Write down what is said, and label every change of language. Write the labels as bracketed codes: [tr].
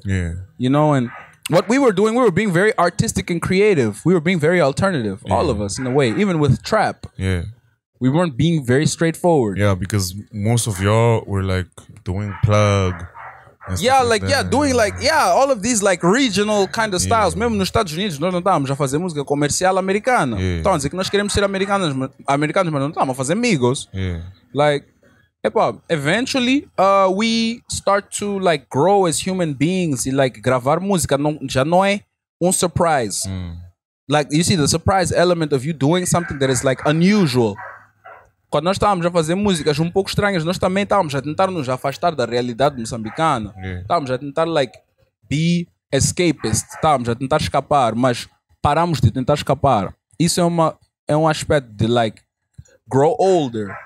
[en] Yeah. You know, and what we were doing, we were being very artistic and creative. We were being very alternative, all of us in a way, even with trap. Yeah. We weren't being very straightforward. Yeah, because most of y'all were like doing plug. Yeah, like, yeah, doing like, yeah, all of these like regional kind of styles. [pt] Mesmo nos Estados Unidos, nós não estávamos a fazer música comercial americana. Então, dizer que nós queremos ser americanos, mas não estávamos a fazer amigos. [en] Yeah. Like, hip-hop, eventually, we start to, like, grow as human beings. [pt] E, like, gravar música já não é surprise. [en] Like, you see, the surprise element of you doing something that is, like, unusual. [pt] Quando nós estávamos a fazer músicas pouco estranhas, nós também estávamos a tentar nos afastar da realidade moçambicana. Estávamos a tentar, like, [en] be escapist. [pt] Estávamos a tentar escapar, mas paramos de tentar escapar. Isso é um aspecto de, like, [en] grow older.